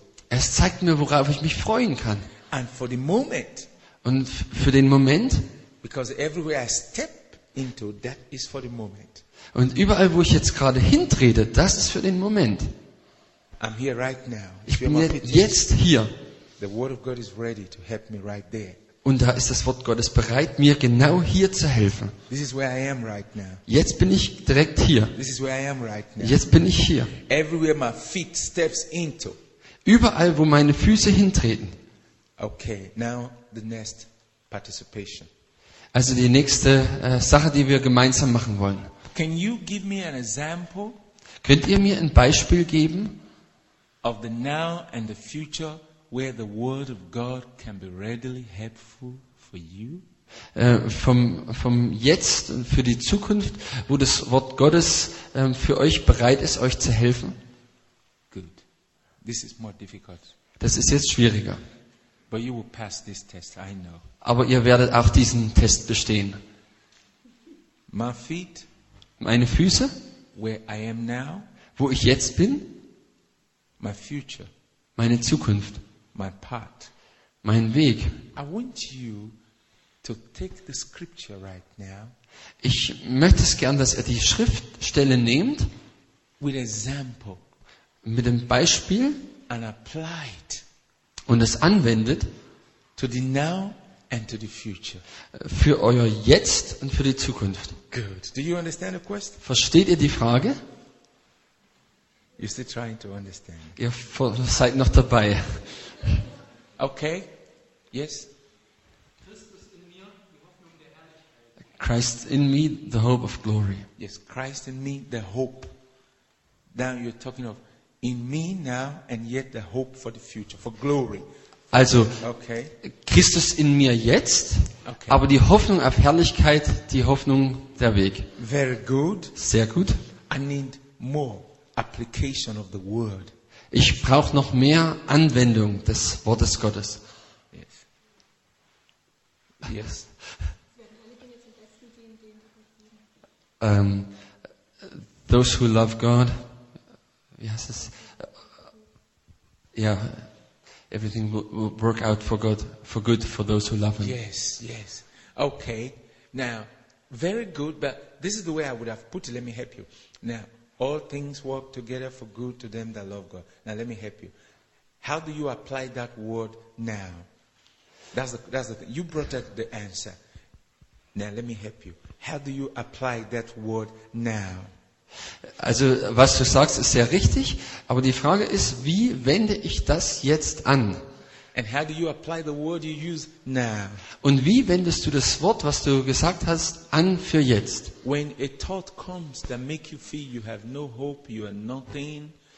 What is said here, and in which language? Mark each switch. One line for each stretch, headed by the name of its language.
German: Es zeigt mir, worauf ich mich freuen kann. Und für den Moment, und für den Moment,
English: because everywhere I step into, that is for the moment.
German: Und überall, wo ich jetzt gerade hintrete, das ist für den Moment.
English: I'm here right now.
German: Ich bin jetzt hier.
English: The word of God is ready to help me right there.
German: Und da ist das Wort Gottes bereit, mir genau hier zu helfen.
English: This is where I am right now.
German: Jetzt bin ich direkt hier.
English: This is where I am right now.
German: Jetzt bin ich hier.
English: Everywhere my feet steps into.
German: Überall, wo meine Füße hintreten.
English: Okay, now the next participation.
German: Also die nächste Sache, die wir gemeinsam machen wollen.
English: Can you give me an example?
German: Könnt ihr mir ein Beispiel geben?
English: Of the now and the future, where the word of God can be readily helpful for you.
German: Vom Jetzt und für die Zukunft, wo das Wort Gottes für euch bereit ist, euch zu helfen.
English: Good. This is more difficult.
German: Das ist jetzt schwieriger.
English: But you will pass this test, I know.
German: Aber ihr werdet auch diesen Test bestehen.
English: My feet,
German: meine Füße,
English: where I am now,
German: wo ich jetzt bin,
English: my future,
German: meine Zukunft,
English: my path,
German: mein Weg.
English: I want you to take the scripture right now.
German: Ich möchte es gern, dass ihr die Schriftstelle nehmt.
English: With example.
German: Mit dem Beispiel.
English: And apply it.
German: Und es anwendet.
English: To the now and to the future.
German: Für euer Jetzt und für die Zukunft.
English: Good. Do you understand the question?
German: Versteht ihr die Frage?
English: You're still trying to understand.
German: Ihr seid noch dabei.
English: Okay. Yes. Christ in me, the hope of glory. Yes, Christ in me, the hope. Now you're talking of in me now and yet the hope for the future, for glory.
German: Also, okay. Christus in mir jetzt, okay. Aber die Hoffnung auf Herrlichkeit, die Hoffnung der Weg.
English: Very good.
German: Sehr gut.
English: I need more application of the word.
German: Ich brauche noch mehr Anwendung des Wortes Gottes.
English: Yes. Yes. Those who love God, yes, yeah, everything will work out for God, for good, for those who love Him. Yes, yes. Okay. Now, very good. But this is the way I would have put it. Let me help you. Now, all things work together for good to them that love God. Now, let me help you. How do you apply that word now? That's the thing. You brought up the answer. Now, let me help you. How do you apply that word now?
German: Also, was du sagst, ist sehr richtig, aber die Frage ist, wie wende ich das jetzt an?
English: And how do you apply the word you use now?
German: Und wie wendest du das Wort, was du gesagt hast, an für jetzt?
English: When a thought comes that makes you feel you have no hope, you are nothing.